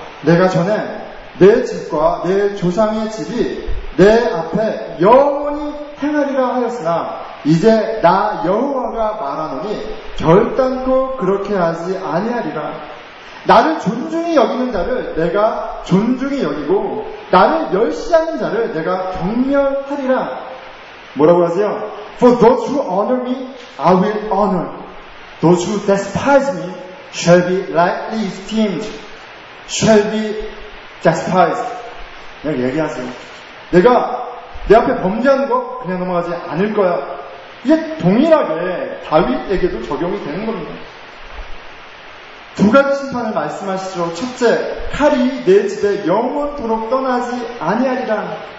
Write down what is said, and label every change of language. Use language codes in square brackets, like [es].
[ko] 내가 전에 내 집과 내 조상의 집이 내 앞에 영원히 행하리라 하였으나 이제 나 여호와가 말하노니 결단코 그렇게 하지 아니하리라. 나를 존중히 여기는 자를 내가 존중히 여기고 나를 멸시하는 자를 내가 경멸하리라. 뭐라고 하세요? [en] For those who honor me, I will honor. Those who despise me shall be lightly esteemed. shall be justified. [ko] 내가 얘기하세요. 내가 내 앞에 범죄한 거 그냥 넘어가지 않을 거야. 이게 동일하게 다윗에게도 적용이 되는 겁니다. 두 가지 심판을 말씀하시죠. 첫째, 칼이 내 집에 영원토록 떠나지 아니하리라.